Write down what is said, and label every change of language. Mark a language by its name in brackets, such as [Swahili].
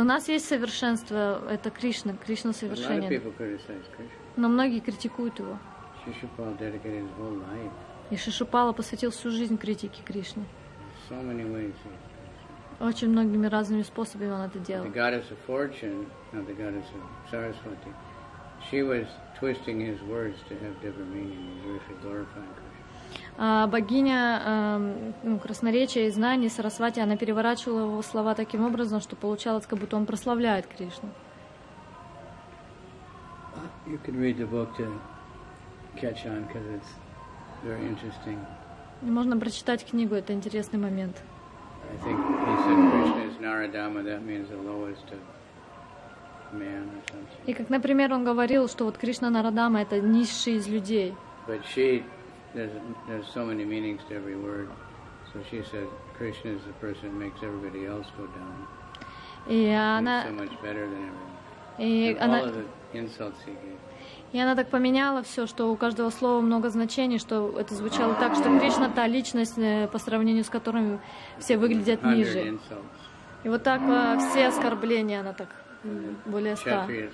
[Russian] У нас есть совершенство, это Кришна, Кришна совершенен. Но многие критикуют его. [English] Шишупала dedicated his whole life. [Russian] И Шишупала посвятил всю жизнь критике Кришне. [English] So many ways. [Russian] Очень многими разными способами он это делал. [English] The goddess of fortune, not the goddess of Saraswati. She was twisting his words to have different meanings, or to glorify Krishna. [Russian] Богиня красноречия и знаний Сарасвати, она переворачивала его слова таким образом, что получалось, как будто он прославляет Кришну. [English] You can read the book to catch on, because it's very interesting. [Russian] Можно прочитать книгу, это интересный момент. [English] I think he said Krishna is Naradama, that means the lowest of man or something. [Russian] И как, например, он говорил, что вот Кришна Нарадама это низший из людей. [English] But she there's so many meanings to every word. So she said Krishna is the person who makes everybody else go down. [Russian] И она [English] so much better than everyone. [Russian] И она [English] all of the insults he gave. [Russian] И она так поменяла все, что у каждого слова много значений, что это звучало так, что Кришна та личность, по сравнению с которой все выглядят ниже. И вот так все оскорбления она так более ста.